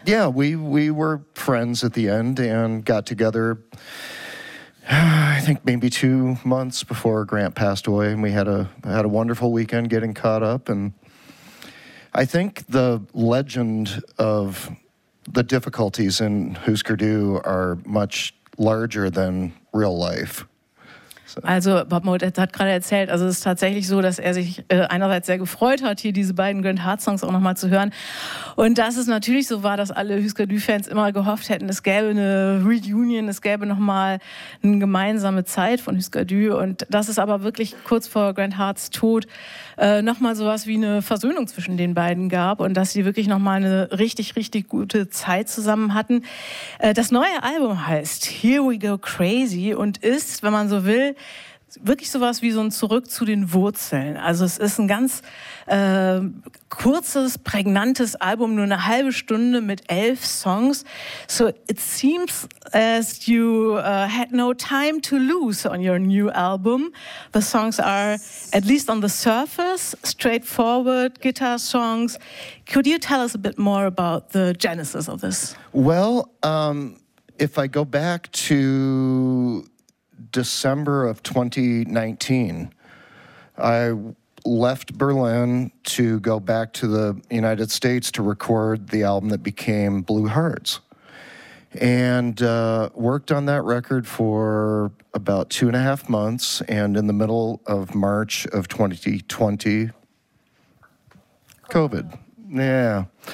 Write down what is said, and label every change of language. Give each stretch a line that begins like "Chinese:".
English: Yeah, we were friends at the end and got together, I think maybe 2 months before Grant passed away, and we had a wonderful weekend getting caught up. And I think the legend of the difficulties in Hüsker Dü are much larger than real life.
German: Also Bob Mould hat gerade erzählt, also es ist tatsächlich so, dass er sich einerseits sehr gefreut hat, hier diese beiden Grant Hart Songs auch nochmal zu hören, und dass es natürlich so war, dass alle Hüsker Dü Fans immer gehofft hätten, es gäbe eine Reunion, es gäbe nochmal eine gemeinsame Zeit von Hüsker Dü, und dass es aber wirklich kurz vor Grant Harts Tod nochmal sowas wie eine Versöhnung zwischen den beiden gab und dass sie wirklich nochmal eine richtig, richtig gute Zeit zusammen hatten. Das neue Album heißt Here We Go Crazy und ist, wenn man so will, wirklich sowas wie so ein Zurück zu den Wurzeln. Also es ist ein ganz kurzes, prägnantes Album, nur eine halbe Stunde mit 11 Songs.
English: So it seems as you had no time to lose on your new album. The songs are, at least on the surface, straightforward guitar songs. Could you tell us a bit more about the genesis of this? Well, if I go back to December of 2019, I left Berlin to go back to the United States to record the album that became Blue Hearts, and worked on that record for about 2.5 months, and in the middle of March of 2020, COVID. Yeah.